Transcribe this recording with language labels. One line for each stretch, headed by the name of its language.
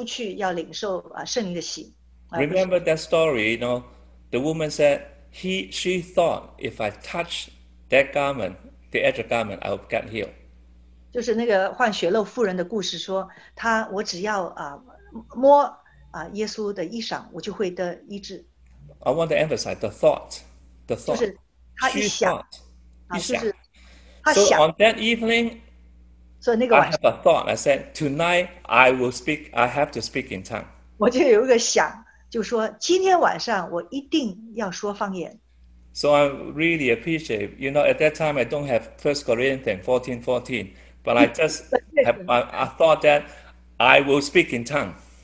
Chinese: 那呢，有一段呢，就是人家就出去要领受圣灵的洗。
English: Remember that story, you know, the woman said, she thought if I touch that garment, the edge of garment, I'll get healed.
Chinese: 就是那个患血漏妇人的故事说，她我只要摸耶稣的衣裳，我就会得医治。
English: I want to emphasize the thought.
Chinese: 就是他一想,
English: So on that evening, so I have a thought. I said, tonight I will speak, I have to speak in tongue.
Chinese: 我就有一个想, 就说今天晚上我一定要说方言。
English: So I really appreciate, you know, at that time I don't have 1 Corinthians 14:14, but I just I thought that I will speak in tongue.